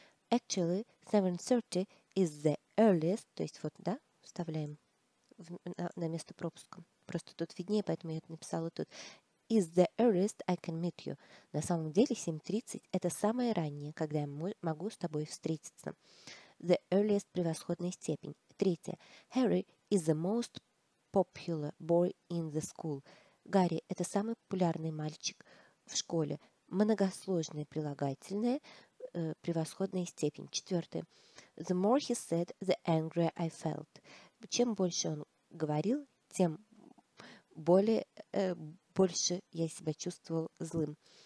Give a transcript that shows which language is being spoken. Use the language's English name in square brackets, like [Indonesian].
[English] Actually, 7:30 is the earliest. [Russian] То есть вот, да, вставляем на место пропуска. Просто тут виднее, поэтому я это написала тут. [English] Is the earliest I can meet you. [Russian] На самом деле 7:30 это самое раннее, когда я могу с тобой встретиться. [English] The earliest, [Russian] превосходная степень. Третье. [English] Harry is the most popular boy in the school. [Russian] Гарри – это самый популярный мальчик в школе. Многосложное прилагательное, превосходная степень. Четвертое. [English] The more he said, the angrier I felt. [Russian] Чем больше он говорил, тем больше я себя чувствовал злым.